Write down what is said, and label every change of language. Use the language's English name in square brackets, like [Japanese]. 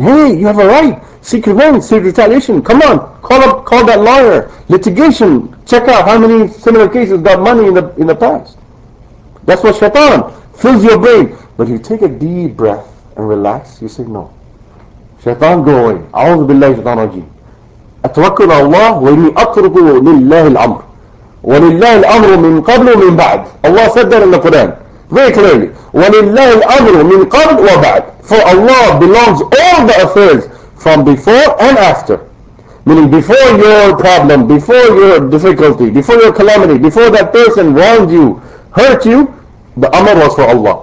[English] Hey, you have a right. Seek revenge, seek retaliation. Come on, call that lawyer. Litigation. Check out how many similar cases got money in the past. That's what shaitan fills your brain. But you take a deep breath and relax, you say no. Shaitan, go away. [Arabic] A'udhu billahi shaitan rajim. أتوكل الله وإني أترك لله الأمر ولله الأمر من قبل ومن بعد. [English] Allah said that in the Quran very clearly. [Arabic] ولله الأمر من قبل وبعد. [English] For Allah belongs all the affairs from before and after. Meaning before your problem, before your difficulty, before your calamity, before that person wronged you, hurt you, the amr was for Allah.